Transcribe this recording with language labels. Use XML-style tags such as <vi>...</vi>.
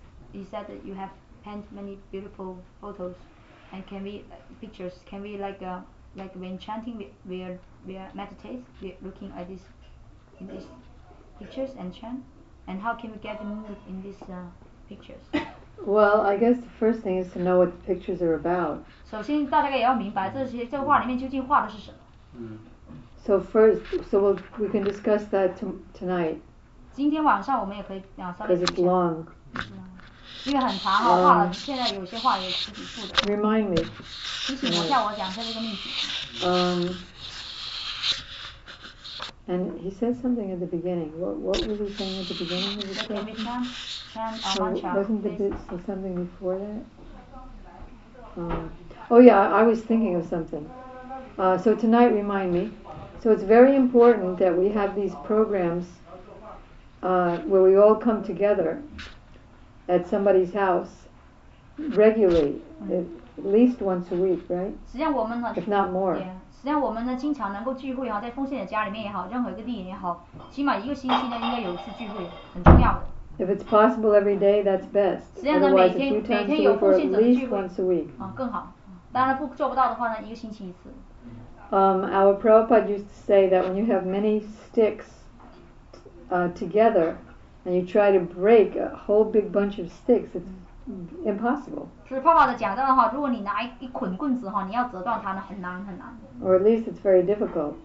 <en>You said that you have paint many beautiful photos And can we, pictures, can we like when chanting, we are meditate, we're looking at these pictures and chant? And how can we get the mood in these pictures? Well, I guess the first thing is to know what the pictures are about.</en> <zh>首先大家也要明白这画里面究竟画的是什么。</zh> <en>So first, we can discuss that tonight.</en> <zh>今天晚上我们也可以稍微。</zh> <en>Because it's long.</en> <zh>因为很长画了现在有些画也是几处的</zh> <en>Remind me</en> <zh>提醒一下我讲这个秘籍</zh> <en>And he said something at the beginning What was he saying at the beginning of the story? Can we chant our mantra? Wasn't the bit of something before that? I was thinking of something So tonight remind me So it's very important that we have these programs where we all come togetherAt somebody's house, regularly, at least once a week, right?</en> <zh>实际上我们呢</zh> <en>if not more.</en> <zh>Yeah, 实际上我们呢经常能够聚会在奉献的家里面也好，任何一个地点也好，起码一个星期呢应该有一次聚会，很重要的。</zh> <en>If it's possible every day, that's best.</en> <zh>实际上呢，每天有奉献者的聚会</zh> <en>，at least once a week.</en> <zh>更好。当然不做不到的话呢，一个星期一次。</zh> <en>Our Prabhupada used to say that when you have many sticks together and you try to break a whole big bunch of sticks, it's impossible.</en> <zh>是Prabhupada讲到的话，如果你拿一捆棍子哈，你要折断它呢，很难很难。</zh> <en>Or at least it's very difficult.</en>